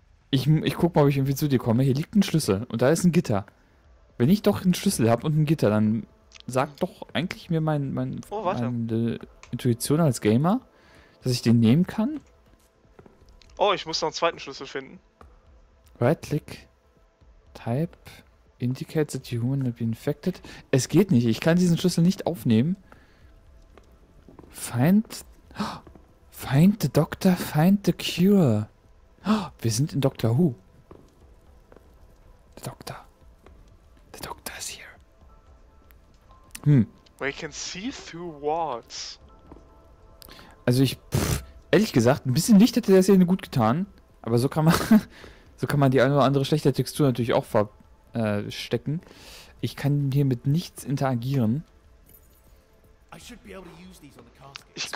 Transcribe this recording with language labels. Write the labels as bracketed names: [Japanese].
[German] Ich guck mal, ob ich irgendwie zu dir komme. Hier liegt ein Schlüssel und da ist ein Gitter. Wenn ich doch einen Schlüssel habe und ein Gitter, dann sagt doch eigentlich mir Oh, warte. meine Intuition als Gamer, dass ich den nehmen kann. Oh, ich muss noch einen zweiten Schlüssel finden. [English] Right-click, type, indicate that the human will be infected. [German] Es geht nicht, ich kann diesen Schlüssel nicht aufnehmen. [English] Find the doctor, find the cure. [German] Oh, wir sind in Doctor Who. [English] The doctor is here. We can see through walls. [German] Also ehrlich gesagt, ein bisschen Licht hätte der Szene gut getan. Aber so kann man die eine oder andere schlechte Textur natürlich auch verstecken. Ich kann hier mit nichts interagieren. Ich Ist ein